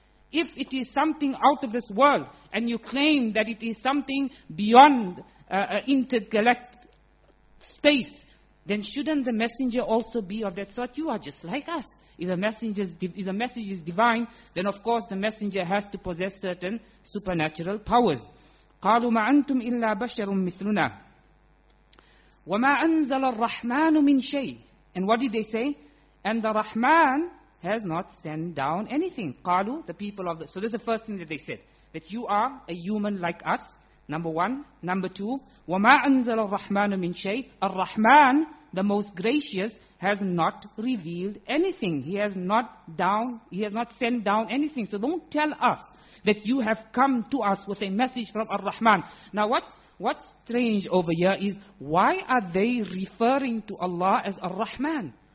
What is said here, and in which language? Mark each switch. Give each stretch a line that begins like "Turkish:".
English: If it is something out of this world, and you claim that it is something beyond intergalactic space, then shouldn't the messenger also be of that sort? You are just like us. If the message is divine, then of course the messenger has to possess certain supernatural powers.
Arabic: قالوا ما أنتم إلا بشر مثلنا وما أنزل الرحمن من شيء.
English: And what did they say? And the Rahman has not sent down anything. قالوا, the people of the... So this is the first thing that they said, that you are a human like us, number one. Number two,
Arabic: وما أنزل الرحمن من شيء.
English: الرحمن, the most gracious, has not revealed anything. He has not sent down anything. So don't tell us that you have come to us with a message from Ar-Rahman. Now what's strange over here is, why are they referring to Allah as Ar-Rahman?